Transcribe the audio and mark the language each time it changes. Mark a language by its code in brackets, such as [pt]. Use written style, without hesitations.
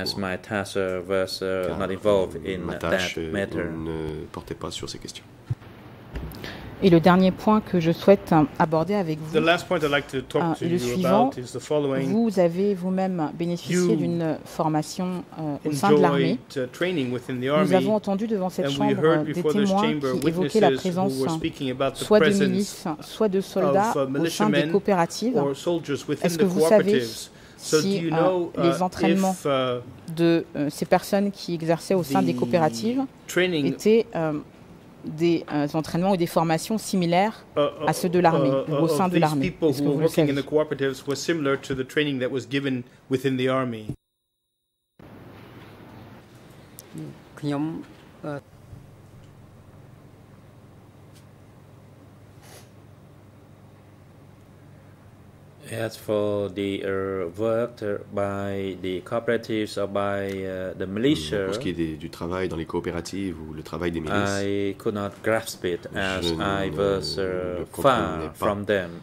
[en] As my task was not involved in that matter. [fr] Ne portait pas sur ces questions. Et le dernier point que je souhaite aborder avec vous est like le suivant. Vous avez vous-même bénéficié d'une formation au sein de l'armée. Nous avons entendu devant cette chambre des témoins qui évoquaient la présence soit de milices, soit de soldats au sein des coopératives. Est-ce que vous savez si les entraînements de ces personnes qui exerçaient au sein des coopératives étaient des entraînements ou des formations similaires à ceux de l'armée ou au sein de l'armée. Est-ce que vous le savez? [en] In the cooperatives was similar to the training that was given within the army. As for the work by the cooperatives or by the militia, [fr] pour ce qui est du travail dans les coopératives ou le travail des milices, [en] I could not grasp it as I was far from them.